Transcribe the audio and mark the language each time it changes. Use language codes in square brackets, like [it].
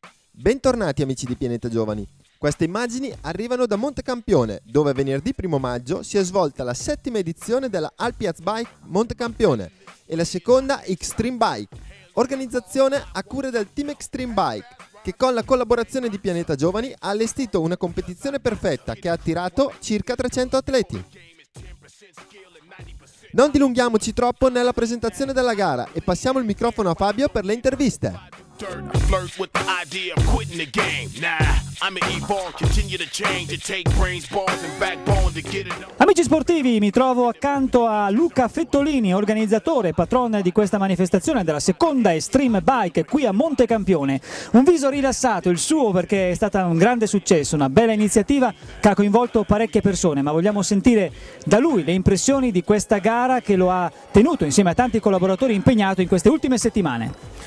[it] Bentornati amici di Pianeta Giovani. Queste immagini arrivano da Montecampione, dove venerdì 1 maggio si è svolta la 7ª edizione della Alpiaz Bike Montecampione e la 2ª Xtreme Bike, organizzazione a cura del Team Xtreme Bike, che con la collaborazione di Pianeta Giovani ha allestito una competizione perfetta che ha attirato circa 300 atleti. Non dilunghiamoci troppo nella presentazione della gara e passiamo il microfono a Fabio per le interviste. [en] I flirt with the idea of quitting the game. Nah, I'm an evolve, continue to change and take brains, balls and backbone to get it. [it] Amici sportivi, mi trovo accanto a Luca Fettolini, organizzatore e patron di questa manifestazione della 2ª Xtreme Bike qui a Montecampione. Un viso rilassato, il suo, perché è stata un grande successo, una bella iniziativa che ha coinvolto parecchie persone, ma vogliamo sentire da lui le impressioni di questa gara che lo ha tenuto insieme a tanti collaboratori impegnato in queste ultime settimane.